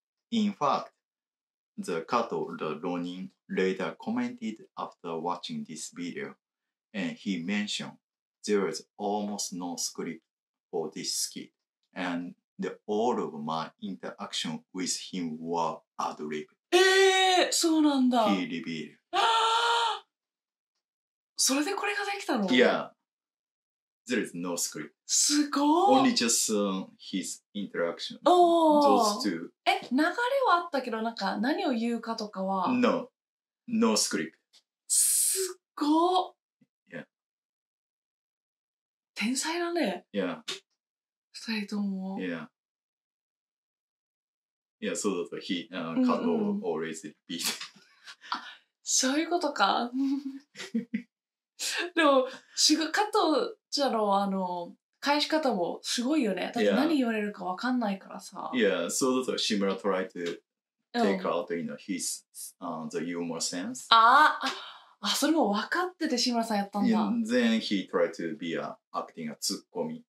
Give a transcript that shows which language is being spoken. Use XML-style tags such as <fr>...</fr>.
<en>In fact, the Kato, the Ronin, later commented after watching this video, and he mentioned there is almost no script for this skit, and all of my interaction with him were ad-lib.</en> <ja>そうなんだ。</ja> <en>He revealed.</en> <ja>それでこれができたの?</ja> <en>Yeah. There is no script.</en> <ja>すごい。</ja> <en>Only just、his interaction. Those two.</en> <ja>え、流れはあったけど、なんか何を言うかとかは。</ja> <en>No. No script.</en> <ja>すご</ja> <en>い。Yeah.</en> <ja>天才だね。</ja> <en>Yeah.</en> <ja>二人とも。</ja> <en>Yeah. Yeah, so that he, カド always repeat.</en> <ja>あ、そういうことか。でも、しが、加藤茶の、あの、返し方もすごいよね。だって何言われるかわかんないからさ。</ja> <en>Yeah, so that志村 tried to take out, you know, his, the humor sense.</en> <ja>ああ、それも分かってて志村さんやったんだ。</ja> <en>Yeah, then he tried to be a acting a ツッコミ。</en>